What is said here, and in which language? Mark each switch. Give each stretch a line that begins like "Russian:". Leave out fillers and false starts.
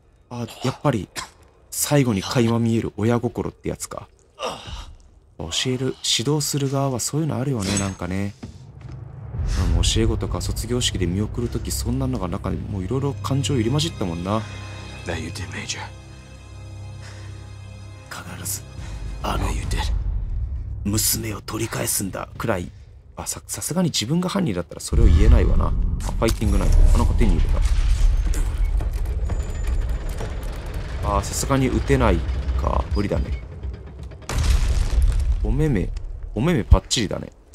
Japanese: あ、やっぱり最後に垣間見える親心ってやつか。教える指導する側はそういうのあるよね。なんかね、教え子とか卒業式で見送るとき、そんなのが中にもういろいろ感情入り混じったもんな。
English: Now you did, Major.
Japanese: 必ず、
English: Now you did.
Japanese: 娘を取り返すんだくらい。あ、さすがに自分が犯人だったらそれを言えないわな。あ、ファイティングナイフ、この子手に入れた。あ、さすがに撃てないか、無理だね。お目目パッチリだね。